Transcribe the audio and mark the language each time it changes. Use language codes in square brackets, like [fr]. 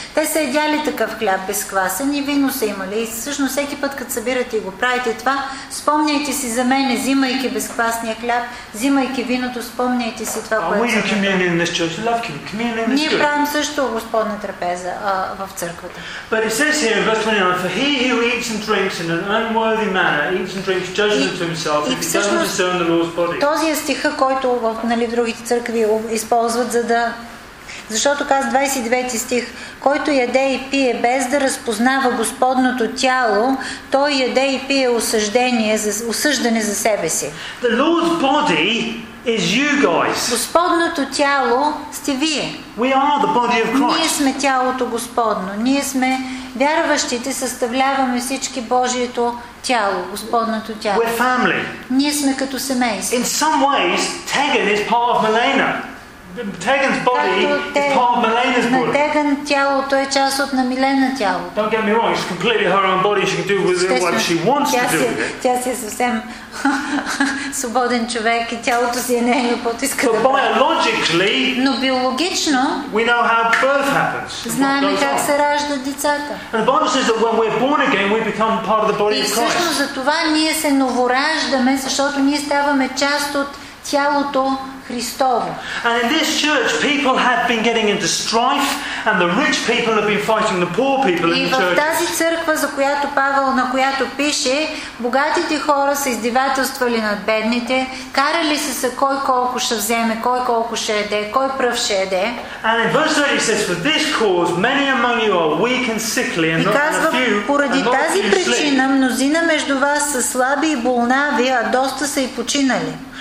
[bg] Те са едяли такъв хляб без квасен и вино са имали. И всъщност всеки път, като събирате и го правите това, спомняйте си за мене, взимайки безквасния хляб, взимайки виното, спомняйте си това, което е. Ние правим също Господна трапеза в църквата. [en] But it says here in verse 29, for he who eats and drinks in unworthy manner, eats and drinks judgment to himself, if he doesn't discern the Lord's body. [bg] Този е стиха, който в, нали, другите църкви използват, за да. Защото казва 29 стих, който яде и пие без да разпознава Господното тяло, той яде и пие осъждение, осъждане за себе си. [en] The Lord's body is you guys. [bg] Господното тяло сте вие. [en] We are the body of Christ. [bg] Ние сме тялото Господно. Ние сме вярващите, съставляваме всички Божието тяло, Господното тяло. [en] We're family. [bg] Ние сме като семейство. [en] In some ways, Tegan is part of Milena. Tegan's body is part of Milena's body. [bg] Теган тялото е част от на Милена тяло. [en] Don't get me wrong, it's completely her own body. She can do with it what she wants to do with it. [bg] Тя си е съвсем свободен човек и тялото си е нейно, каквото иска да прави. Biologically, но биологично, [en] we know how birth happens. [bg] Знаем как се раждат децата. [en] And the Bible says that when we're born again, we become part of the body of Christ. [bg] И всъщност за това ние се новораждаме, защото ние ставаме част от тялото Христово. [en] And in this church, people have been getting into strife, and the rich people have been fighting the poor people in the church. [bg] И в тази църква, за която Павел, на която пише, богатите хора са издевателствали над бедните, карали се са кой колко ще вземе, кой колко ще еде, кой пръв ще еде. [en] And in verse 30 it says, for this cause many among you are weak and sickly, and not a few sleep. [bg] И казва, поради тази причина мнозина между вас са слаби и болнави, а доста са и починали.